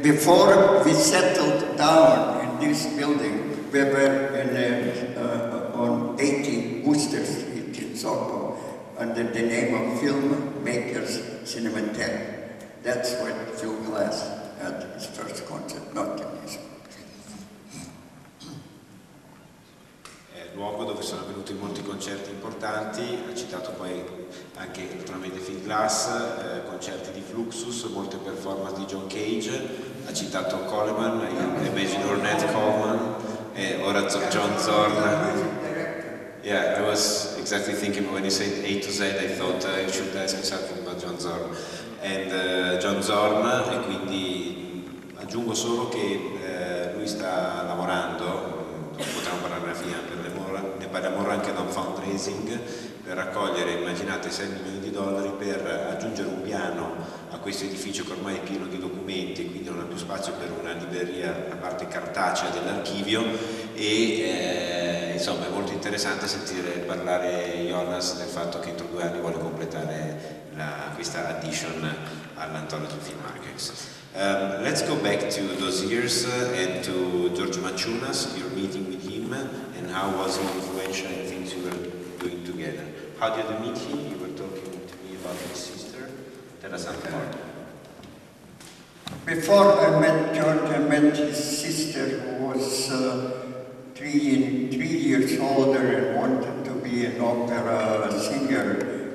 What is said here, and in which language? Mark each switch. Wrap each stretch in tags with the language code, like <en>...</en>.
<en>before we settled down in this building, we were in on 80 Wooster Street in Soho, under the name of Filmmakers Cinematheque. That's where Phil Glass had his first concert, not the music.</en> <it>Luogo dove sono avvenuti molti concerti importanti, ha citato poi anche tramite Phil Glass, concerti di Fluxus, molte performance di John Cage, ha citato Coleman, Imagine Ornette Coleman, e ora John Zorn.</it> <en>Yeah, I was exactly thinking when you said A to Z, I thought you should ask something about John Zorn.</en> <it>And John Zorn, e quindi aggiungo solo che lui sta lavorando, potremmo parlare alla fine, per parliamo anche da un fundraising per raccogliere, immaginate, 6 milioni di dollari per aggiungere un piano a questo edificio che ormai è pieno di documenti, quindi non ha più spazio per una libreria, la parte cartacea dell'archivio, e insomma è molto interessante sentire parlare Jonas del fatto che entro 2 anni vuole completare questa addition all'Anthology Film Archives.</it> <en>Let's go back to those years and to George Maciunas, your meeting with him, and how was he influential in things you were doing together? How did you meet him? You were talking to me about his sister. Tell us something more. Before I met George, I met his sister, who was 3 years older and wanted to be an opera singer.</en>